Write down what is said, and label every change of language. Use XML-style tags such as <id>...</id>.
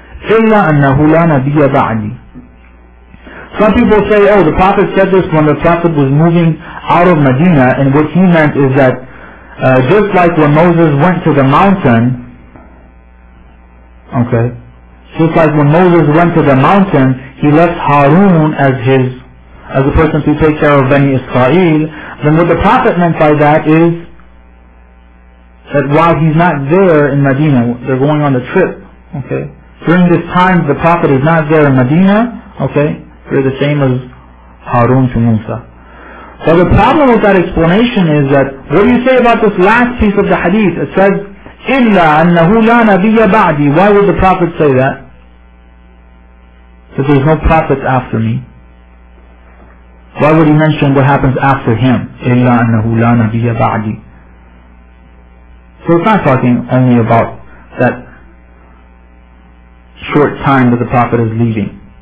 <ar>Illa annahu la nabiyya ba'di.</ar> <en>Some people say, oh, the Prophet said this when the Prophet was moving out of Medina, and what he meant is that just like when Moses went to the mountain, okay, just like when Moses went to the mountain, he left Harun as the person to take care of Bani Israel, then what the Prophet meant by that is that while he's not there in Medina, they're going on a trip, okay? During this time, the Prophet is not there in Medina, okay? They're the same as Harun to Musa. But the problem with that explanation is that, what do you say about this last piece of the hadith? It says,</en> <ar>إِلَّا أَنَّهُ لَا نَبِيَّ بَعْدِي.</ar> <en>Why would the Prophet say that? That there's no Prophet after me. Why would he mention what happens after him?</en> <ar>إِلَّا أَنَّهُ لَا نَبِيَّ بَعْدِي.</ar> <en>So it's not talking only about that short time that the Prophet is leaving.</en>